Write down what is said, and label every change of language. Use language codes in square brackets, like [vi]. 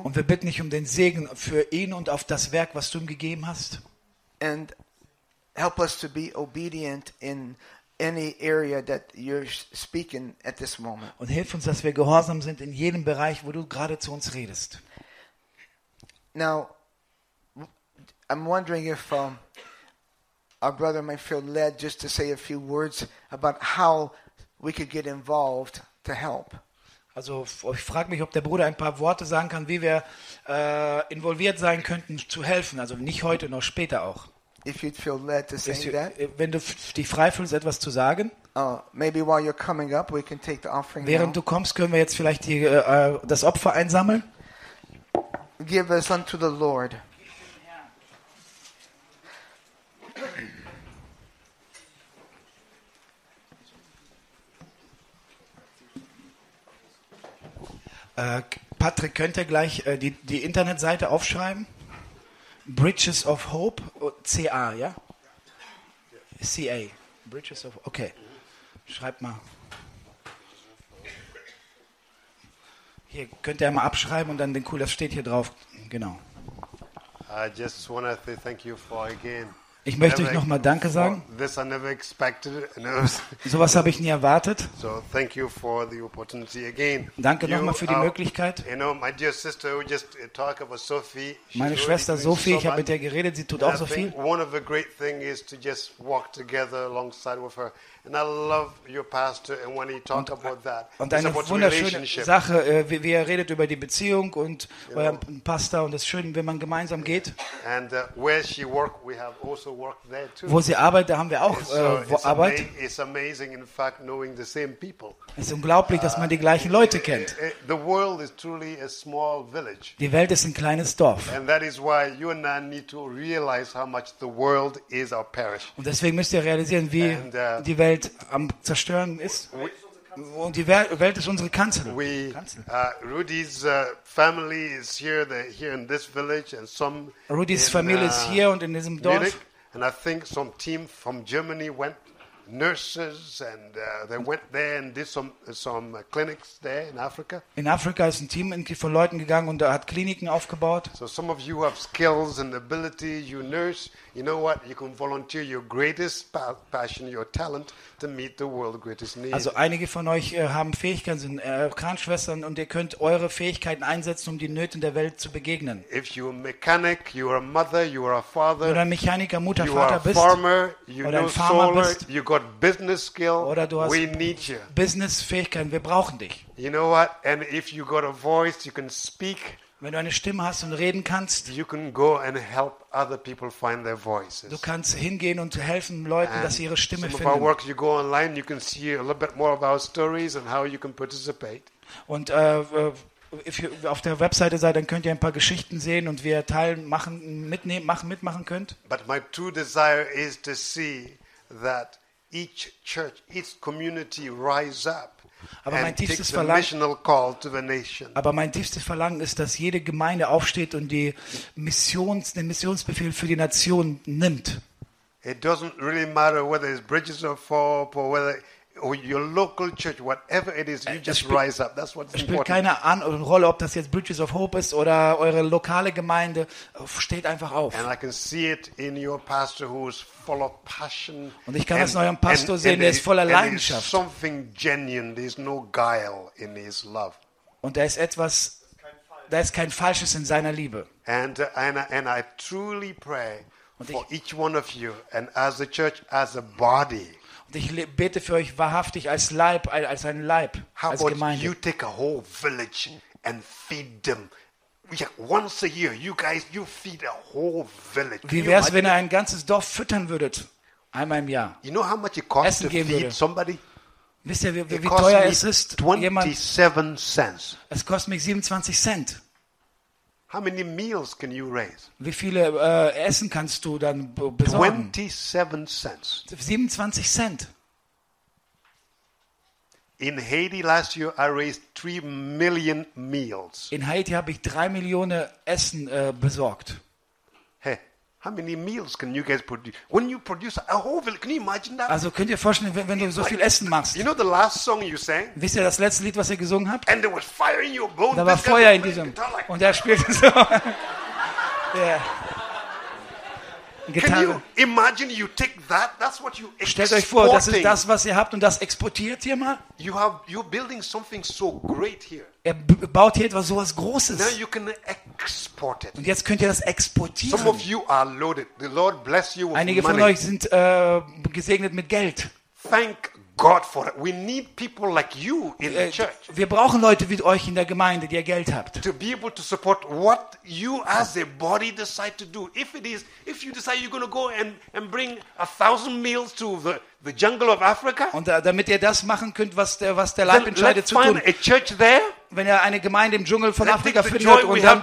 [de] Und wir bitten dich um den Segen für ihn und auf das Werk, was du ihm gegeben hast. [en] And help us to be obedient in any area that you're speaking at this moment. [de] Und hilf uns, dass wir gehorsam sind in jedem Bereich, wo du gerade zu uns redest. [en] Now, I'm wondering if our brother might feel led just to say a few words about how we could get involved to help. [de] Also, ich frage mich, ob der Bruder ein paar Worte sagen kann, wie wir involviert sein könnten zu helfen. Also nicht heute, noch später auch. [en] If you'd feel led to say that, [de] wenn du dich frei fühlst, etwas zu sagen, [en] maybe while you're coming up, we can take the offering. [de] Während du kommst, können wir jetzt vielleicht die, das Opfer einsammeln. [en] Give us unto the Lord. [de] Patrick, könnt ihr gleich die Internetseite aufschreiben? Bridges of Hope, CA, ja? CA, Bridges of Hope, okay. Schreibt mal. Hier, könnt ihr mal abschreiben und dann den Cool, das steht hier drauf, genau. [en] I just want to say thank you for again. [de] Ich möchte euch nochmal Danke sagen. [en] This I never expected. [de] So was habe ich nie erwartet. [en] So thank you for the opportunity again. [de] Danke nochmal für die Möglichkeit. [en] You know, my dear sister, we just talk about Sophie. [de] Meine Schwester Sophie, ich habe mit ihr geredet, sie tut auch so viel. [en] One of the great things is to just walk together alongside with her. And I love your pastor and when he talked about that. [de] Und eine wunderschöne Sache, wie er redet über die Beziehung und euer Pastor und es schön, wenn man gemeinsam geht. [en] And where she worked, we have also worked there too. [de] Wo sie arbeitet, haben wir auch Arbeit. [en] It's amazing, in fact, knowing the same people. [de] Es ist unglaublich, dass man die gleichen Leute kennt. [en] The world is truly a small village. [de] Die Welt ist ein kleines Dorf. [en] And that is why you and I need to realize how much the world is our parish. [de] Und deswegen müsst ihr realisieren, wie die Welt Welt am Zerstören ist. Und die Welt ist unsere Kanzel. [en] Rudy's family is here, they're here in this village and some [de] Rudy's Familie ist hier und in diesem Dorf. [en] And I think some team from Germany went nurses and they went there and did some clinics there in Africa. [de] In Afrika ist ein Team von Leuten gegangen und da hat Kliniken aufgebaut. [en] So some of you have skills and ability, you nurse, you know what, you can volunteer your greatest passion, your talent to meet the world's greatest need. [de] Also einige von euch haben Fähigkeiten, sind Krankenschwestern und ihr könnt eure Fähigkeiten einsetzen, um den Nöten der Welt zu begegnen. [en] If you're a mechanic, you're a mother, you're a father. [de] Oder Mechaniker, Mutter, Vater [en] you are [de] bist. [en] Farmer, you [de] oder ein [en] know [de] Farmer solar, bist. [en] You got business skill. [de] Oder du hast [en] we need you. [de] Business-Fähigkeiten, wir brauchen dich. [en] You know what? And if you got a voice, you can speak. [de] Wenn du eine Stimme hast und reden kannst, [en] you can go and help other people find their voices. [de] Du kannst hingehen und helfen Leuten, [en] and [de] dass sie ihre Stimme finden. [en] Some of our work, you go online, you can see a little bit more of our stories and how you can participate. [de] Und [en] if you, [de] auf der Webseite seid, dann könnt ihr ein paar Geschichten sehen und wir teilen, machen, mitnehmen, machen, mitmachen könnt. [en] But my true desire is to see that each church, each community rise up and takes the missional call to the nation. [de] Aber mein tiefstes Verlangen ist, dass jede Gemeinde aufsteht und die Missions, den Missionsbefehl für die Nation nimmt. [en] It doesn't really matter whether it's Bridges or Thorpe or whether or your local church, whatever it is, you just rise up. That's what's important. [de] Es spielt keine Rolle, ob das jetzt Bridges of Hope ist oder eure lokale Gemeinde. Steht einfach auf. [en] And I can see it in your pastor who's full of passion. [de] Und ich kann es in eurem Pastor sehen, der ist voller Leidenschaft. [en] And something genuine. There's no guile in his love. [de] Und da ist etwas, da ist kein Falsches in seiner Liebe. [en] And I truly pray for each one of you and as a church, as a body. [de] Ich bete für euch wahrhaftig als Leib, als ein Leib, als Gemeinde. [en] You take a whole village and feed them. Once a year, you guys, you feed a whole village. [de] Wie wär's, wenn ihr ein ganzes Dorf füttern würdet, einmal im Jahr? [en] You know how much it costs to feed somebody? [de] Wisst ihr, wie teuer es ist? [en] 27 cents. [de] Es kostet mich 27 Cent. [en] How many meals can you raise? [de] Wie viele Essen kannst du dann besorgen? [en] 27 cents. [de] 27 Cent. [en] In Haiti last year I raised 3 million meals. [de] In Haiti habe ich 3 Millionen Essen besorgt. [en] Hey, how many meals can you guys produce? When you produce a whole village, can you imagine that? [de] Also könnt ihr vorstellen, wenn du so viel Essen machst. [en] You know the last song you sang? [de] Wisst ihr das letzte Lied, was ihr gesungen habt? [en] And there was fire in your bones. [de] Da war Feuer in diesem. Und er spielte so. Yeah. [en] Can you imagine you take that? That's what you exporting. [de] Stellt euch vor, das ist das, was ihr habt und das exportiert ihr mal? [en] You have you're building something so great here. [de] Er baut hier etwas sowas Großes. [en] Now you can export it. [de] Und jetzt könnt ihr das exportieren. [en] Some of you are loaded. The Lord bless you with [de] einige von [en] money. [de] Euch sind gesegnet mit Geld. [en] Thank God for it. We need people like you in the church. [de] Wir brauchen Leute wie euch in der Gemeinde, die ihr Geld habt. [en] To be able to support what you as a body decide to do. If it is, if you decide you're going to go and bring 1,000 meals to the jungle of Africa. [de] Und damit ihr das machen könnt, was der Leib entscheidet zu tun. [en] A church there. [de] Wenn ihr eine Gemeinde im Dschungel von Afrika findet und dann